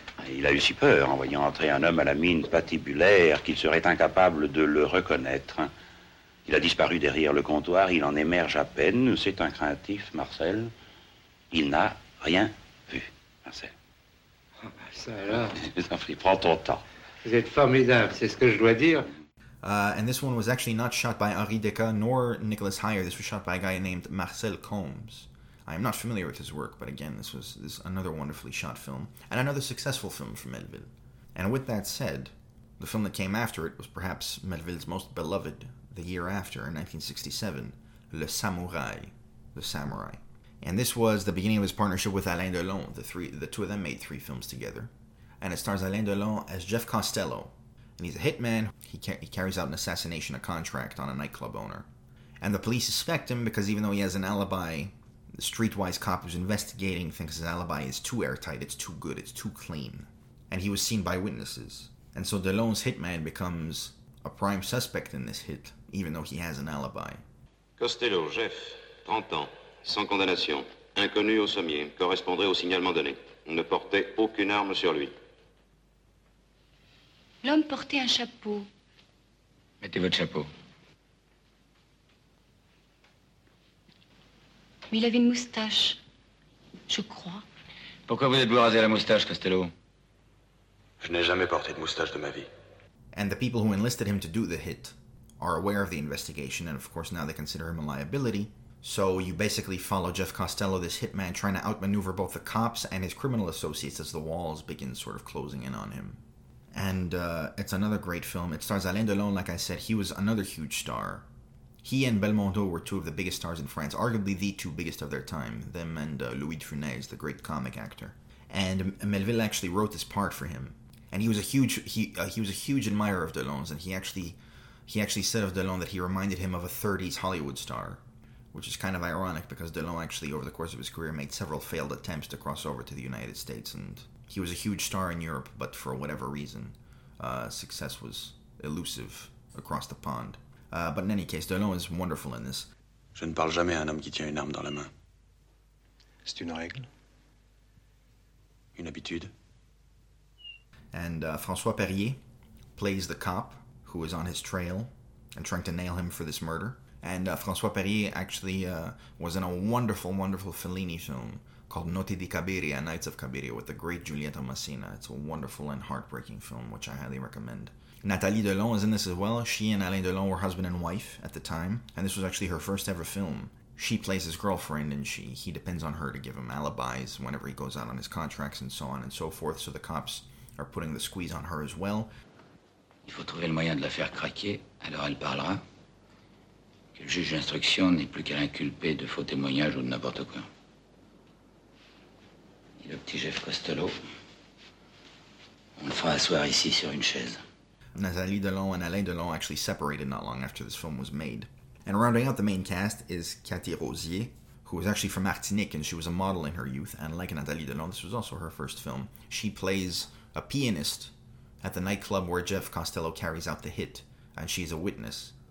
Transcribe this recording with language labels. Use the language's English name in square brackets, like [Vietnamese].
[French] Il a eu si peur en voyant entrer un homme à la mine patibulaire qu'il serait incapable de le reconnaître. Il a disparu derrière le comptoir, il en émerge à peine. C'est un craintif, Marcel. Il n'a rien vu, Marcel. Oh, ça alors. Je t'en prie, prends ton temps. Vous êtes formidable, c'est ce que je dois dire. [English] And this one was actually not shot by Henri Descas nor Nicholas Heyer. This was shot by a guy named Marcel Combes. I am not familiar with his work, but again, this is another wonderfully shot film and another successful film for Melville. And with that said, the film that came after it was perhaps Melville's most beloved the year after, in 1967, Le Samouraï. The Samurai. And this was the beginning of his partnership with Alain Delon. The two of them made three films together. And it stars Alain Delon as Jeff Costello. And he's a hitman. He carries out an assassination, a contract on a nightclub owner. And the police suspect him because even though he has an alibi, the streetwise cop who's investigating thinks his alibi is too airtight, it's too good, it's too clean. And he was seen by witnesses. And so Delon's hitman becomes a prime suspect in this hit, even though he has an alibi. [French] Costello, Jeff, 30 ans, sans condamnation, inconnu au sommier, correspondrait au signalement donné. Ne portait aucune arme sur lui. L'homme portait un chapeau. Mettez votre chapeau. Mais il avait une moustache, je crois. Pourquoi vous êtes-vous rasé la moustache, Costello? Je n'ai jamais porté de moustache de ma vie. [English] And the people who enlisted him to do the hit are aware of the investigation, and of course now they consider him a liability. So you basically follow Jeff Costello, this hitman, trying to outmaneuver both the cops and his criminal associates as the walls begin sort of closing in on him. And it's another great film. It stars Alain Delon, like I said. He was another huge star. He and Belmondo were two of the biggest stars in France, arguably the two biggest of their time, them and Louis de Funès, the great comic actor. And Melville actually wrote this part for him. And he was a huge admirer of Delon's, and he actually said of Delon that he reminded him of a 30s Hollywood star. which is kind of ironic because Delon actually, over the course of his career, made several failed attempts to cross over to the United States, and he was a huge star in Europe, but for whatever reason, success was elusive across the pond. But in any case, Delon is wonderful in this. [French] Je ne parle jamais à un homme qui tient une arme dans la main. C'est une règle. Une habitude. [English] And François Perrier plays the cop who is on his trail and trying to nail him for this murder. And François Perrier actually was in a wonderful, wonderful Fellini film called Notti di Cabiria, Nights of Cabiria, with the great Giulietta Masina. It's a wonderful and heartbreaking film, which I highly recommend. Nathalie Delon is in this as well. She and Alain Delon were husband and wife at the time, and this was actually her first ever film. She plays his girlfriend, and he depends on her to give him alibis whenever he goes out on his contracts and so on and so forth, so the cops are putting the squeeze on her as well. [French] Il faut trouver le moyen de la faire craquer, alors elle parlera. Que le juge d'instruction n'est plus qu'à l'inculper de faux témoignages ou de n'importe quoi. Et le petit Jeff Costello, on le fera asseoir ici sur une chaise. [English] Nathalie Delon and Alain Delon actually separated not long after this film was made. And rounding out the main cast is Cathy Rosier, who was actually from Martinique, and she was a model in her youth. And like Nathalie Delon, this was also her first film. She plays a pianist at the nightclub where Jeff Costello carries out the hit, and she's a witness.